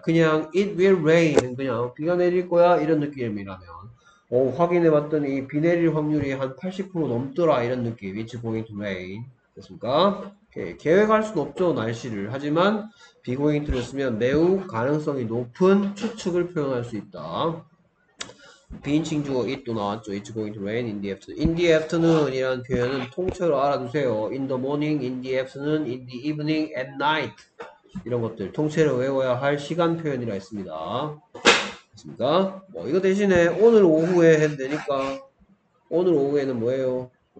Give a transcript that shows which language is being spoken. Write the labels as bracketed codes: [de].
[ko] 그냥 [en] it will rain [ko] 그냥 비가 내릴 거야 이런 느낌이라면 확인해 봤더니 비 내릴 확률이 한80% 넘더라 이런 느낌. [en] It's going to rain. [ko] 됐습니까? 오케이. 계획할 순 없죠 날씨를. 하지만 be going to를 쓰면 매우 가능성이 높은 추측을 표현할 수 있다. 비인칭 주어 it도 나왔죠. [en] It's going to rain in the afternoon. In the afternoon이라는 [ko] 표현은 통째로 알아두세요. [en] In the morning, in the afternoon, in the evening, at night. [ko] 이런 것들 통째로 외워야 할 시간 표현이라 했습니다. 됐습니까? 뭐 이거 대신에 오늘 오후에 해도 되니까 오늘 오후에는 뭐예요?